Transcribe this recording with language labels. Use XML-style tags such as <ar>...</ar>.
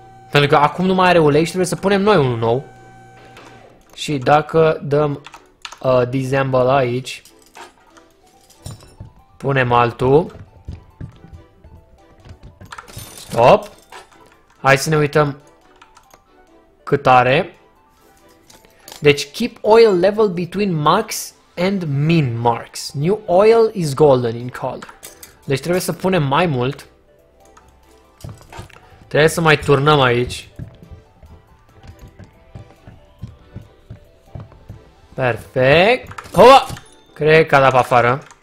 <ro>Pentru că acum nu mai are ulei și trebuie să punem noi unul nou. Și dacă dăm disassemble aici, punem altul. Stop. Hai să ne uităm cât are. Deci,</ro> <en>keep oil level between max and min marks. New oil is golden in color.</en> <ro>Deci trebuie să punem mai mult. Trebuie să mai turnăm aici. Perfect. Hoa! Cred că a dat pe afară.</ro>